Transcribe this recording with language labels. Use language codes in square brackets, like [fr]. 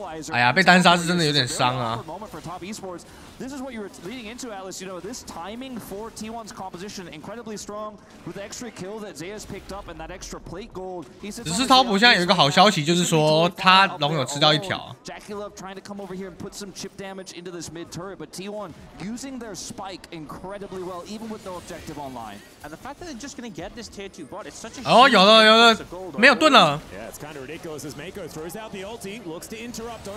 [zh] 哎呀，被单杀是真的有点伤啊。 [en] This is what you were leading into, Alice. You know, this timing for T1's composition incredibly strong with the extra kill that Zayas picked up and that extra plate gold. [zh] 只是滔普现在有一个好消息，就是说他龙有吃掉一条。 [en] Jackie Love trying to come over here and put some chip damage into this mid turret, but T1 using their spike incredibly well, even with no objective online. And the fact that they're just going to get this tier 2 bot, it's such a. [zh] 哦，有了，有了，没有盾了。 [en] Yeah, it's kind of ridiculous as Mako throws out the ulti, looks to interrupt.